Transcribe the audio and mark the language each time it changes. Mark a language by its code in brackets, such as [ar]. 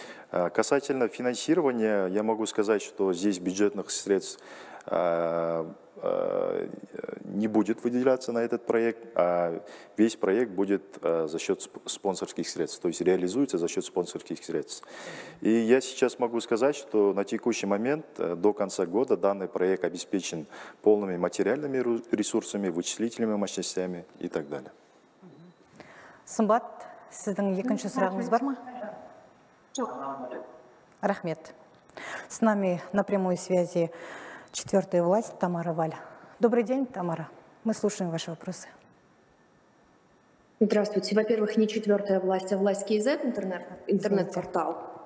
[ru] Касательно финансирования, я могу сказать, что здесь бюджетных средств не будет выделяться на этот проект, а весь проект будет за счет спонсорских средств, то есть реализуется за счет спонсорских средств. И я сейчас могу сказать, что на текущий момент, до конца года, данный проект обеспечен полными материальными ресурсами, вычислительными мощностями и так далее. [kk] Сымбат, сіздің екінші сұрағыңыз бар ма? Рахмет. [ru] С нами на прямой связи четвертая власть, Тамара Валь. Добрый день, Тамара. Мы слушаем ваши вопросы. Здравствуйте. Во-первых, не четвертая власть, а власть КИЗ, интернет-портал.